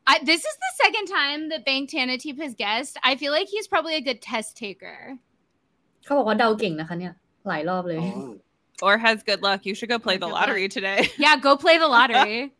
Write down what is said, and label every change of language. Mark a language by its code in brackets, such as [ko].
[en] This is the second time that Bank Tanateep has guessed I feel like he's probably a good test taker [th] เขาบอกว่าเดาเก่งนะคะเนี่ยหลายรอบเลย [en] Or has good luck. You should go play the lottery today. Yeah, go play the lottery.